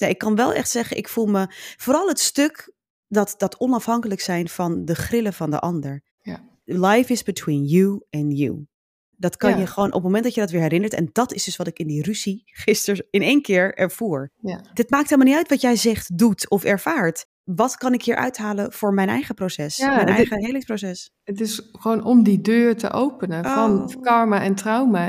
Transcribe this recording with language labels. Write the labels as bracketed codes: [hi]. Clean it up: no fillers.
[nl] Nee, ik kan wel echt zeggen, ik voel me vooral het stuk... Dat onafhankelijk zijn van de grillen van de ander. Ja. [en] Life is between you and you. [nl] Dat kan je gewoon op het moment dat je dat weer herinnert. En dat is dus wat ik in die ruzie gisteren in één keer ervoer. Ja. Dit maakt helemaal niet uit wat jij zegt, doet of ervaart. Wat kan ik hier uithalen voor mijn eigen proces? Ja, mijn eigen helingsproces? Het is gewoon om die deur te openen van karma en trauma.